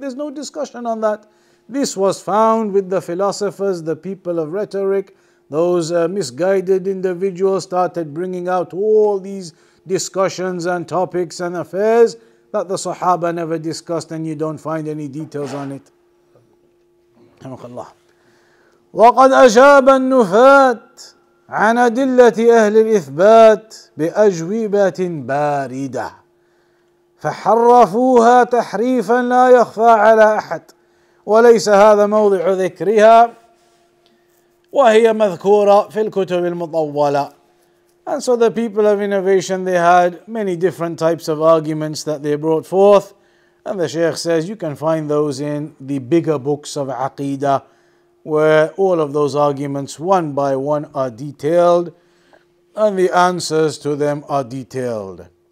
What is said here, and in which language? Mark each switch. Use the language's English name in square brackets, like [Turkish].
[English] There's no discussion on that. This was found with the philosophers, the people of rhetoric. Those misguided individuals started bringing out all these discussions and topics and affairs that the Sahaba never discussed, and you don't find any details on it. [Arabic] وَقَدْ أَجَابَ النُّفَاتِ عَنْ أَدِلَّةِ أَهْلِ الْإِثْبَاتِ بِأَجْوِبَةٍ بَارِدَةٍ فَحَرَّفُوهَا تَحْرِيفًا لَا يَخْفَى عَلَى أَحَدٍ وليس هذا موضع ذكرها وهي مذكورة في الكتب المطولة. [English] And so the people of innovation, they had many different types of arguments that they brought forth. And the Shaykh says you can find those in the bigger books of Aqidah, where all of those arguments one by one are detailed and the answers to them are detailed.